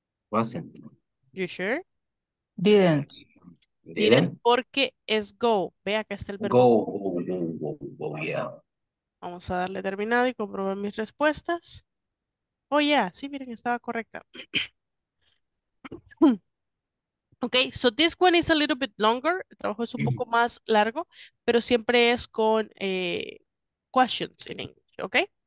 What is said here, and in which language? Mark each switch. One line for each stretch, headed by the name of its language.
English: Wasn't. You sure? Didn't. Didn't.
Spanish: Porque es go. Vea que está el verbo.
English: Go, go, yeah.
Spanish: Vamos a darle terminado y comprobar mis respuestas. Oh, yeah. Sí, miren, estaba correcta.
English: Okay, so this one is a little bit longer. El trabajo es un poco más largo, pero siempre es con questions in English, okay?